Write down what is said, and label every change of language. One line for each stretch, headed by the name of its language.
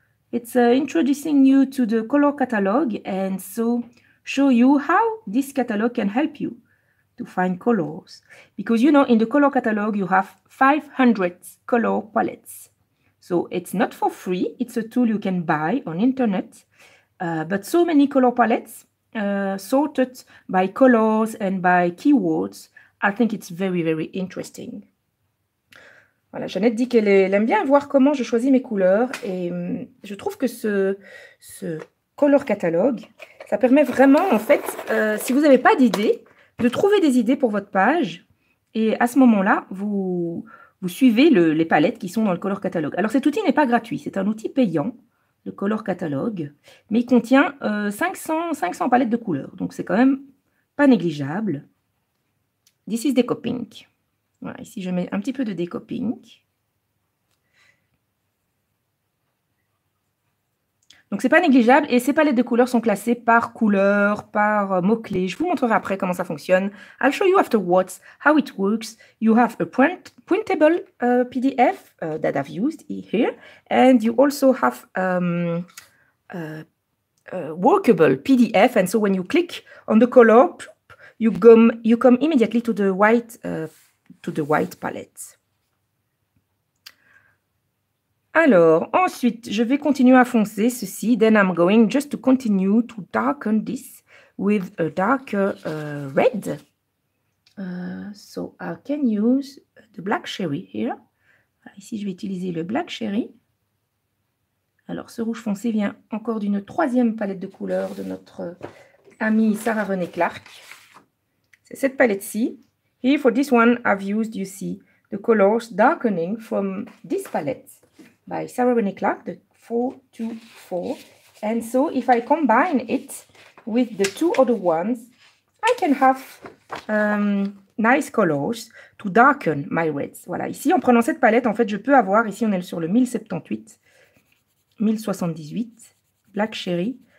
English: It's introducing you to the color catalog, and so show you how this catalog can help you to find colors, because you know in the color catalog you have 500 color palettes, so it's not for free, it's a tool you can buy on internet, but so many color palettes sorted by colors and by keywords, I think it's very very interesting.
French: Voilà, Jeanette dit qu'elle aime bien voir comment je choisis mes couleurs, et je trouve que ce color catalog, ça permet vraiment, en fait, si vous n'avez pas d'idée, de trouver des idées pour votre page, et à ce moment-là, vous suivez les palettes qui sont dans le color catalog. Alors cet outil n'est pas gratuit, c'est un outil payant, le color catalog, mais il contient 500 palettes de couleurs, donc c'est quand même pas négligeable.
English: This is deco pink.
French: Voilà, ici je mets un petit peu de deco pink. Donc, c'est pas négligeable, et ces palettes de couleurs sont classées par couleur, par mots-clés. Je vous montrerai après comment ça fonctionne.
English: I'll show you afterwards how it works. You have a printable PDF that I've used here, and you also have workable PDF. And so, when you click on the color, you come immediately to the white palette.
French: Alors, ensuite, je vais continuer à foncer ceci.
English: Then I'm going just to continue to darken this with a darker red. So I can use the black cherry here.
French: Ici, je vais utiliser le black cherry. Alors, ce rouge foncé vient encore d'une troisième palette de couleurs de notre amie Sarah Renée Clark. C'est cette palette-ci.
English: Here for this one, I've used, you see, the colors darkening from this palette by Sarah Renée Clark, the 424. And so if I combine it with the two other ones, I can have nice colors to darken my reds.
French: Voilà, ici, en prenant cette palette, en fait, je peux avoir, ici, on est sur le 1078, Black Cherry.